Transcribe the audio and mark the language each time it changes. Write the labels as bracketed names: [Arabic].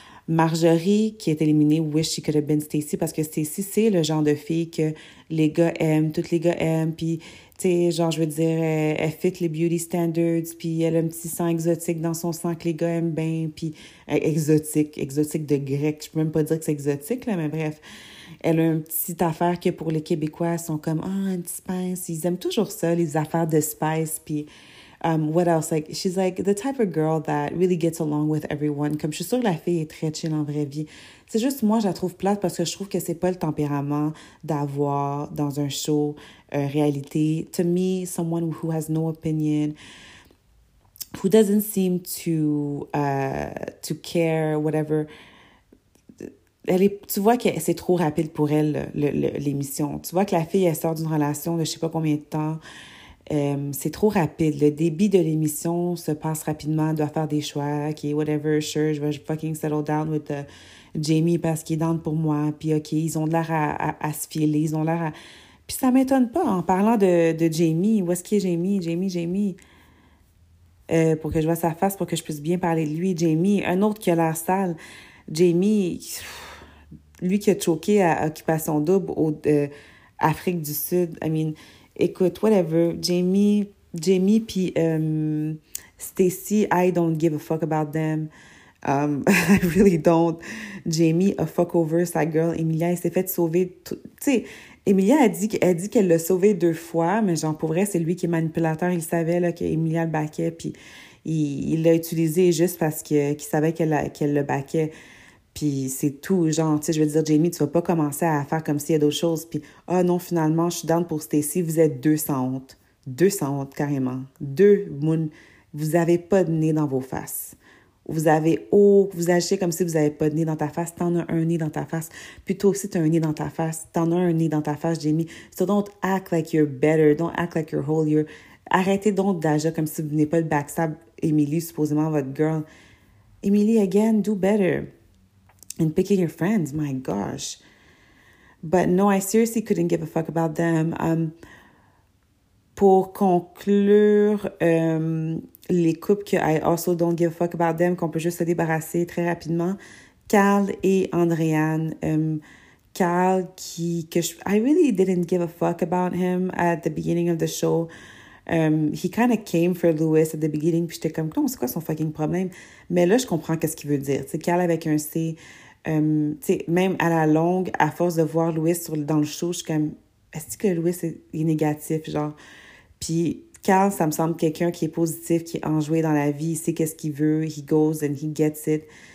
[French] Marjorie qui est éliminée, [English] wish she could have been Stacy, [French] parce que Stacy, c'est le genre de fille que les gars aiment, toutes les gars aiment, puis, tu sais, genre, je veux dire, elle fit les beauty standards, puis elle a un petit sang exotique dans son sang que les gars aiment bien, puis exotique, exotique de grec, je peux même pas dire que c'est exotique, là, mais bref. Elle a une petite affaire que pour les Québécois, elles sont comme, ah, oh, un petit spice, ils aiment toujours ça, les affaires de spice, puis... [English] what else? Like, she's like the type of girl that really gets along with everyone. [French] Comme, je suis sûre que la fille est très chill en vraie vie. C'est juste, moi, je la trouve plate parce que je trouve que c'est pas le tempérament d'avoir dans un show réalité. [English] To me, someone who has no opinion, who doesn't seem to care, whatever. [French] Elle est, tu vois que c'est trop rapide pour elle, l'émission. Tu vois que la fille, elle sort d'une relation de je sais pas combien de temps. C'est trop rapide. Le débit de l'émission se passe rapidement. Elle doit faire des choix. OK, whatever, sure, je vais fucking [English] settle down with Jamie [French] parce qu'il est down pour moi. Puis OK, ils ont l'air à se filer. Ils ont l'air à... Puis ça m'étonne pas, en parlant de Jamie. Où est-ce qu'il est Jamie? Jamie. Pour que je vois sa face, pour que je puisse bien parler de lui. Jamie, un autre qui a l'air sale. Jamie, lui qui a choqué à Occupation Double au Afrique du Sud. [English] I mean... [French] Écoute, [English] whatever, Jamie, puis Stacy, I don't give a fuck about them. I really don't. Jamie a fuck over sa girl. [French] Emilia, elle s'est fait sauver. Tu sais, Emilia a dit qu'elle l'a sauvé deux fois, mais genre, pour vrai, c'est lui qui est manipulateur. Il savait là, qu'Emilia le baquait, puis il l'a utilisé juste parce qu'il savait qu'elle le baquait. Puis c'est tout, genre, tu sais, je veux dire, Jamie, tu vas pas commencer à faire comme s'il y a d'autres choses. Puis, ah oh non, finalement, je suis down pour Stacy, vous êtes deux sans honte. Deux sans honte, carrément. Deux, moon, vous avez pas de nez dans vos faces. Vous avez, oh, vous agissez comme si vous avez pas de nez dans ta face, t'en as un nez dans ta face. Puis toi aussi, t'as un nez dans ta face. T'en as un nez dans ta face, Jamie. [English] So don't act like you're better, don't act like you're holier. [French] Arrêtez donc d'agir comme si vous n'êtes pas le backstab, Emily, supposément votre girl. [English] Emily, again, do better. And picking your friends, my gosh. But no, I seriously couldn't give a fuck about them. [French] Pour conclure, les couples que [English] I also don't give a fuck about them, [French] qu'on peut juste se débarrasser très rapidement, Carl et Andréane. [English] Carl, I really didn't give a fuck about him at the beginning of the show. He kind of came for Louis at the beginning, [French] puis j'étais comme, non, c'est quoi son fucking problème? Mais là, je comprends qu'est-ce qu'il veut dire. C'est Carl avec un C... même à la longue, à force de voir Louis dans le show, je suis comme, est-ce que Louis est négatif, genre? Puis Carl, ça me semble quelqu'un qui est positif, qui est enjoué dans la vie, il sait qu'est-ce qu'il veut, [English] he goes and he gets it.